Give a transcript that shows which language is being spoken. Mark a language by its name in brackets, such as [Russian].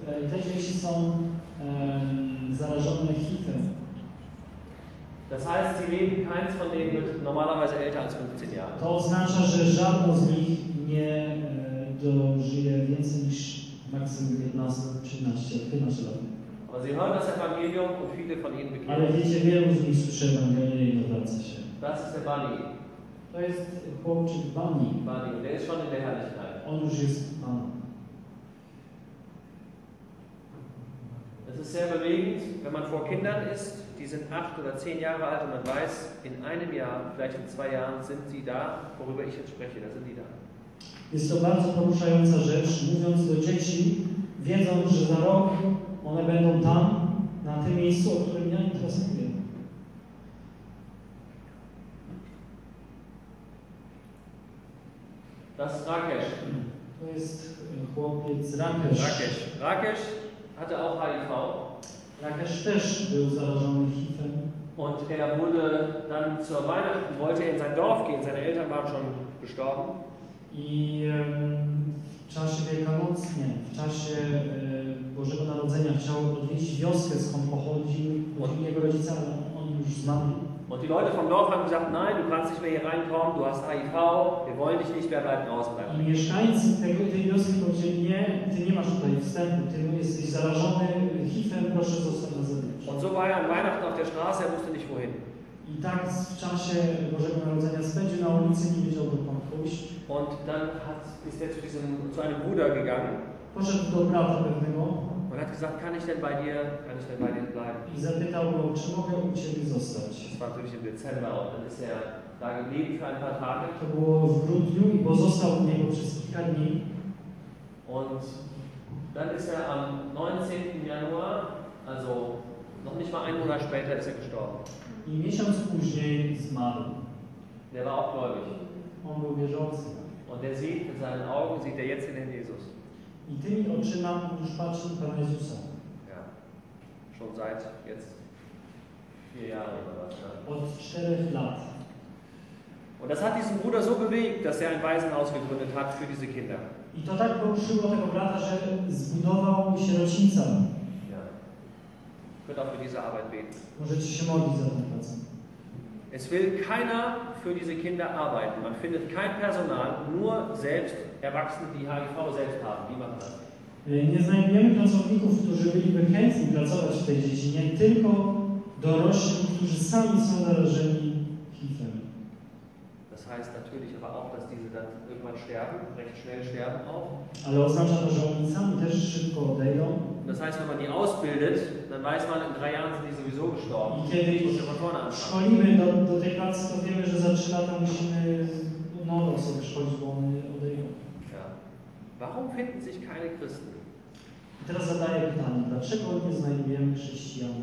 [Polish] Te dzieci są zarażone HIV-em. [German] Das heißt, sie leben keins von denen wird normalerweise älter als 15 Jahre. [Polish] To oznacza, że żadno z nich nie dożyje więcej niż maksymum 15 lat. [German] Aber sie hören das Evangelium und viele von ihnen bekehren. [Polish] Ale wiecie, wielu z nich słyszy Ewangelię i odwraca się. [German] Das ist der Bunny. [Polish] To jest chłopczyk Bunny. [German] Bunny, der ist schon in der Herrlichkeit. [Polish] On już jest Pan. [German] Es ist sehr bewegend, wenn man vor Kindern ist, die sind 8 oder 10 Jahre alt und man weiß, in einem Jahr, vielleicht in 2 Jahren sind sie da, worüber ich jetzt spreche, da sind die da. [Polish] Jest to bardzo poruszająca rzecz, mówiąc do dzieci, wiedząc, że za rok one będą tam, na tym miejscu, o którym ja interesuję. [German] Das ist Rakesh. [Polish] To jest chłopiec Rakesh. [German] Rakesh. Rakesh hatte auch HIV. [Polish] Rakesh też był zarażony HIV-em. [German] Und er wurde dann zur Weihnachten, wollte in sein Dorf gehen, seine Eltern waren schon gestorben. [Polish] I w czasie Wielkanocnie, w czasie Bożego Narodzenia chciał odwiedzić wioskę, skąd pochodził, jego rodzica, ale on już z nami. [German] Und die Leute vom Dorf haben gesagt, nein, du kannst nicht mehr hier reinkommen, du hast HIV, wir wollen dich nicht mehr bleiben, rausbleiben. [Polish] I mieszkańcy tej wioski powiedzieli, nie, ty nie masz tutaj wstępu, ty jesteś zarażony HIV-em, proszę zostać na zewnątrz. [German] Und so war er an Weihnachten auf der Straße, er wusste nicht wohin. [Polish] I tak w czasie Bożego Narodzenia spędził na ulicy, nie wiedział, dokąd pójść. [German] Und dann ist er zu einem Bruder gegangen. [Polish] Poszedł do brata pewnego. [German] Und hat gesagt, kann ich denn bei dir bleiben? [Polish] I zapytał go, czy mogę u ciebie zostać? [German] Das war natürlich im Dezember und dann ist er da geblieben für ein paar Tage. [Polish] To było w grudniu, bo został u niego przez kilka dni. [German] Und dann ist er am 19. Januar, also noch nicht mal einen Monat später, ist er gestorben. [Polish] I miesiąc później zmarł. [German] Der war auch gläubig. [Polish] On był wierzący. [German] Und er sieht in seinen Augen, sieht er jetzt in den Jesus. [Polish] I tymi oczyma już patrzy na Pana Jezusa. [German] Ja. Schon seit jetzt 4 Jahre oder was. [Polish] Od 4 lat. [German] Und das hat diesen Bruder so bewegt, dass er ein Waisenhaus gegründet hat für diese Kinder. [Polish] I to tak poruszyło tego brata, że zbudował sierocińca. [German] Ja. Könnt auch für diese Arbeit beten. [Polish] Możecie się modlić za tę pracę. [German] Es will keiner für diese Kinder arbeiten. Man findet kein Personal, nur selbst Erwachsene, die HIV selbst haben. Wie macht das? [Polish] Nie znajdujemy pracowników, którzy byliby chętni pracować w tej dziedzinie, tylko dorośli, którzy sami są narażeni HIV-em. [German] Das heißt natürlich aber auch, dass diese dann irgendwann sterben, recht schnell sterben auch. [Polish] Ale oznacza to, że oni sami też szybko odejdą. [German] Das heißt, wenn man die ausbildet, dann weiß man, in 3 Jahren sind die sowieso gestorben. [Polish] I kiedy ich szkolimy do tej pracy, to wiemy, że za 3 lata musimy nowe osoby szkolić, bo one odejdą. [German] Ja. Warum finden sich keine Christen? [Polish] I teraz zadaję pytanie, dlaczego nie znajdujemy chrześcijan,